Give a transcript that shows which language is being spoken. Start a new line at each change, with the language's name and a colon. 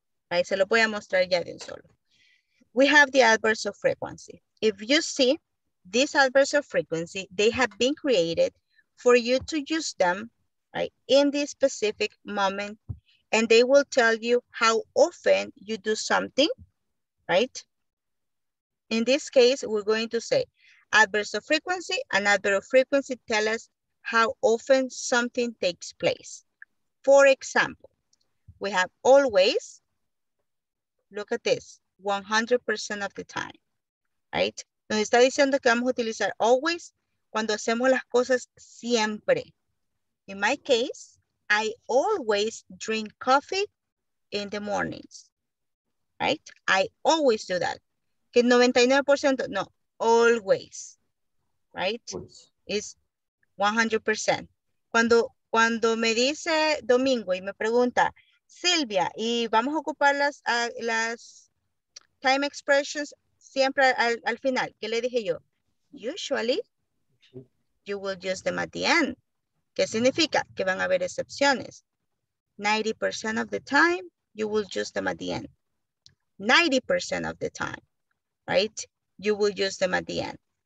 Spanish: Right, se lo voy a mostrar ya de un solo.
English: We have the adverbs of frequency. If you see these adverbs of frequency, they have been created for you to use them, right, in this specific moment, and they will tell you how often you do something, right? In this case, we're going to say adverbs of frequency, and adverbs of frequency tell us how often something takes place. For example, we have always, look at this, 100% of the time, right?
Spanish: Nos está diciendo que vamos a utilizar always cuando hacemos las cosas siempre.
English: In my case, I always drink coffee in the mornings, right? I always do that.
Spanish: Que 99%, no,
English: always, right? Is 100%.
Spanish: Cuando me dice Domingo y me pregunta, Silvia, y vamos a ocupar las time expressions siempre al final, ¿qué le dije yo?
English: Usually, you will use them at the end.
Spanish: ¿Qué significa? Que van a haber excepciones.
English: 90% of the time, you will use them at the end. 90% of the time, right? You will use them at the end.